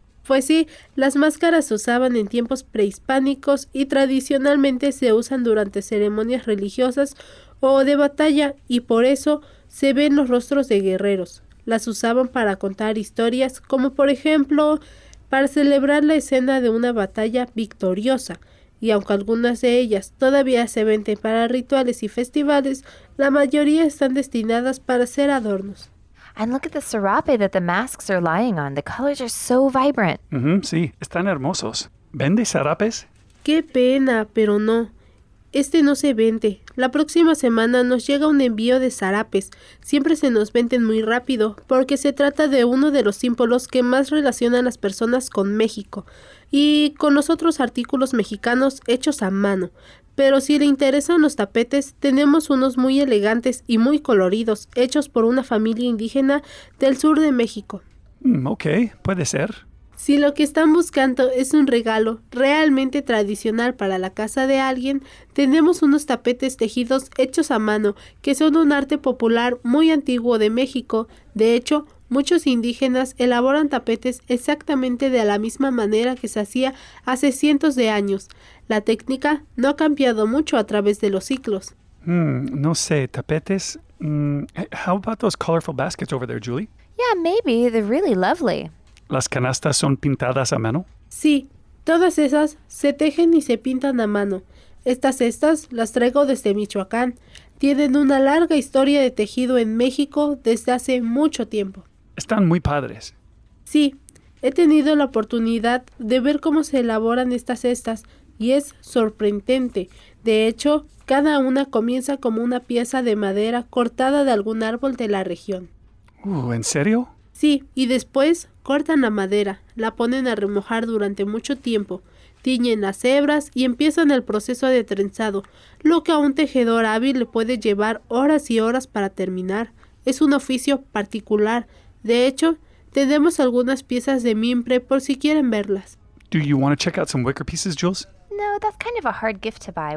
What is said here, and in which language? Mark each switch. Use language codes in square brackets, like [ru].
[es] Pues sí, las máscaras se usaban en tiempos prehispánicos y tradicionalmente se usan durante ceremonias religiosas o de batalla y por eso se ven los rostros de guerreros. Las usaban para contar historias como por ejemplo para celebrar la escena de una batalla victoriosa. Y aunque algunas de ellas todavía se venden para rituales y festivales, la mayoría están destinadas para ser adornos. [en] And look at the serape that the masks are lying on. The colors are so vibrant. [es] Sí, están hermosos. ¿Vende serapes? Qué pena, pero no. Este no se vende. La próxima semana nos llega un envío de serapes. Siempre se nos venden muy rápido porque se trata de uno de los símbolos que más relacionan las personas con México y con los otros artículos mexicanos hechos a mano. Pero si le interesan los tapetes, tenemos unos muy elegantes y muy coloridos, hechos por una familia indígena del sur de México. Ok, puede ser. Si lo que están buscando es un regalo realmente tradicional para la casa de alguien, tenemos unos tapetes tejidos hechos a mano, que son un arte popular muy antiguo de México. De hecho, muchos indígenas elaboran tapetes exactamente de la misma manera que se hacía hace cientos de años. La técnica no ha cambiado mucho a través de los siglos. No sé, tapetes. [en] How about those colorful baskets over there, Julie? Yeah, maybe. They're really lovely. [es] ¿Las canastas son pintadas a mano? Sí, todas esas se tejen y se pintan a mano. Estas cestas las traigo desde Michoacán. Tienen una larga historia de tejido en México desde hace mucho tiempo. Están muy padres. Sí, he tenido la oportunidad de ver cómo se elaboran estas cestas y es sorprendente. De hecho, cada una comienza como una pieza de madera cortada de algún árbol de la región. ¿En serio? Sí, y después cortan la madera, la ponen a remojar durante mucho tiempo, tiñen las hebras y empiezan el proceso de trenzado, lo que a un tejedor hábil le puede llevar horas y horas para terminar. Es un oficio particular. De hecho, tenemos algunas piezas de mimbre por si quieren verlas. [en] Do you want to check out some wicker pieces, Jules? No, that's kind of a hard gift to buy.